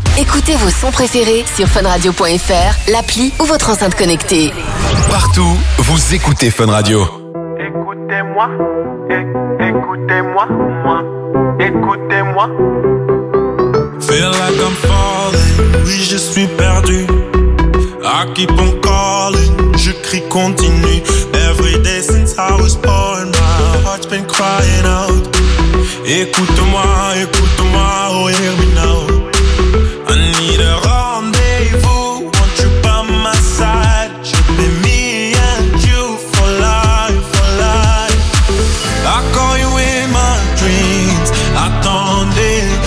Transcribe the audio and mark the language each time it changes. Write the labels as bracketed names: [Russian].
[French] Écoutez vos sons préférés sur funradio.fr, l'appli ou votre enceinte connectée. Partout, vous écoutez Fun Radio. Écoutez-moi, écoutez-moi, moi, écoutez-moi. [English] Feel like I'm falling, [French] oui je suis perdu. [English] I keep on calling, [French] je crie continue. [English] Every day since I was born, my heart's been crying out. [French] Écoute-moi, écoute-moi, [English] oh hear me now. I need a rendez-vous, want you by my side. Should be me and you for life, for life. I call you in my dreams, [French] attendez.